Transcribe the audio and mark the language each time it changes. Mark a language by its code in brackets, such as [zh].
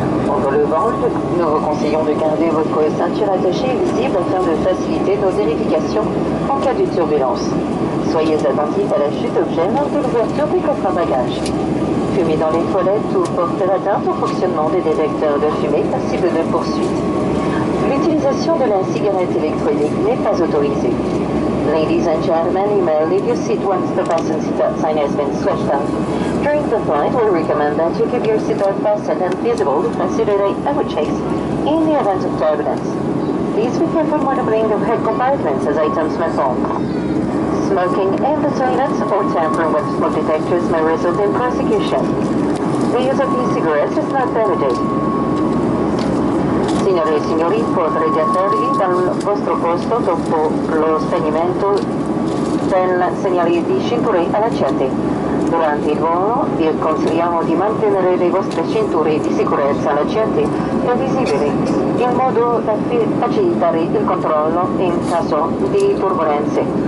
[fr] Pendant le vol, nous vous conseillons de garder votre ceinture attachée et visible afin de faciliter nos vérifications en cas de turbulence. Soyez attentifs à la chute d'objets lors de l'ouverture des coffres à bagages. Fumer dans les toilettes ou porter atteinte au fonctionnement des détecteurs de fumée passible de poursuite. L'utilisation de la cigarette électronique n'est pas autorisée. [en] Ladies and gentlemen, you may leave your seat once the fasten seatbelt sign has been switched off. During the flight, we recommend that you keep your seatbelt fastened and visible to facilitate airway checks in the event of turbulence. Please be careful when opening the overhead compartments as items may fall. Smoking in the toilets or tampering with smoke detectors may result in prosecution. The use of e-cigarettes is not permitted. [it] Signore e signori, potrete atterrare dal vostro posto dopo lo spegnimento del segnale di cinture allacciate. Durante il volo vi consigliamo di mantenere le vostre cinture di sicurezza allacciate e visibili, in modo da facilitare il controllo in caso di turbolenze.